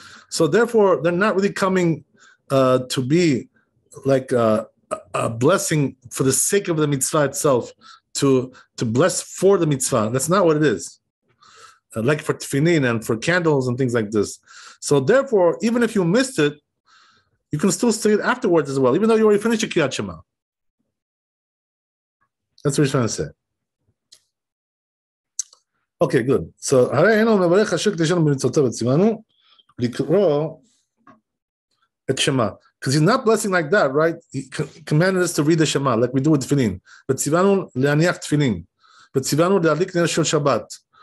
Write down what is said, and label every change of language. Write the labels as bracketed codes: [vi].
[en] So therefore, they're not really coming to be like a blessing for the sake of the mitzvah itself, to bless for the mitzvah. That's not what it is. Like for tefillin and for candles and things like this. So therefore, even if you missed it, you can still say it afterwards as well, even though you already finished your Kiyat Shema. That's what he's trying to say. Okay, good. So, [he] הרי היינו מברך השיר קדישנו במצוותו וציוונו לקרוא את שמה. [en] Because he's not blessing like that, right? He commanded us to read the Shema, like we do with tefillin. [he] וציוונו להניח תפילין. וציוונו להדליק נר של שבת.